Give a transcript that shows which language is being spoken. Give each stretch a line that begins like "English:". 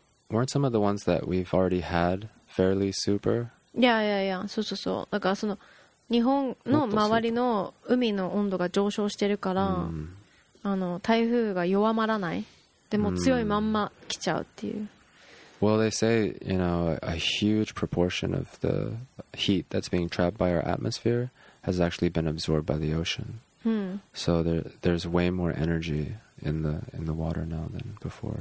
English: Weren't some of the ones that we've already had fairly super? Yeah, yeah, yeah.
Japanese: そうそうそう。だからその日本の周りの海の温度が上昇してるから、台風が弱まらない。でも強いまんま来ちゃうっていう。
English: Well, they say, you know, a huge proportion of the heat that's being trapped by our atmosphere. Has actually been absorbed by the ocean. So there's way more energy in the water now than before.